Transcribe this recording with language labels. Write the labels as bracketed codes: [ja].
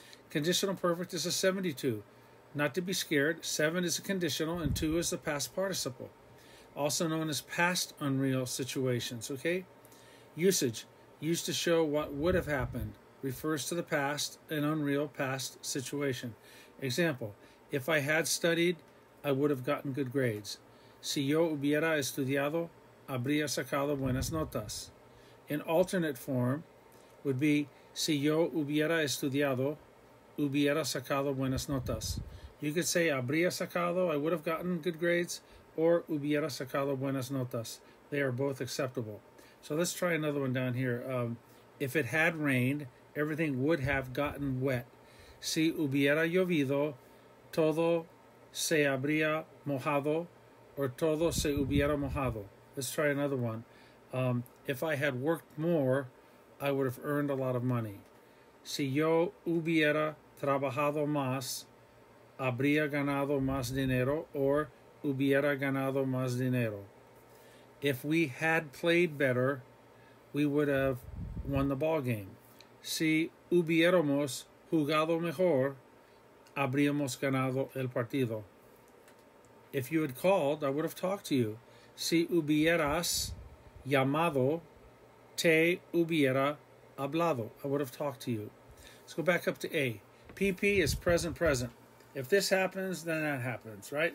[en] Conditional perfect is a 72. Not to be scared, 7 is a conditional and 2 is the past participle, also known as past unreal situations, okay? Usage, used to show what would have happened, refers to the past, an unreal past situation. Example, if I had studied, I would have gotten good grades. [es] Si yo hubiera estudiado, habría sacado buenas notas. [en] An alternate form would be, [es] si yo hubiera estudiado, hubiera sacado buenas notas. [en] You could say, [es] habría sacado, [en] I would have gotten good grades, or [es] hubiera sacado buenas notas. [en] They are both acceptable. So let's try another one down here. If it had rained, everything would have gotten wet. [es] Si hubiera llovido, todo se habría mojado, [en] or [es] todo se hubiera mojado. [en] Let's try another one. If I had worked more, I would have earned a lot of money. [es] Si yo hubiera trabajado más, habría ganado más dinero, [en] or [es] hubiera ganado más dinero. [en] If we had played better, we would have won the ball game. [es] Si hubiéramos jugado mejor, habríamos ganado el partido. [en] If you had called, I would have talked to you. [es] Si hubieras llamado, te hubiera hablado. [en] I would have talked to you. Let's go back up to A. PP is present. If this happens, then that happens, right?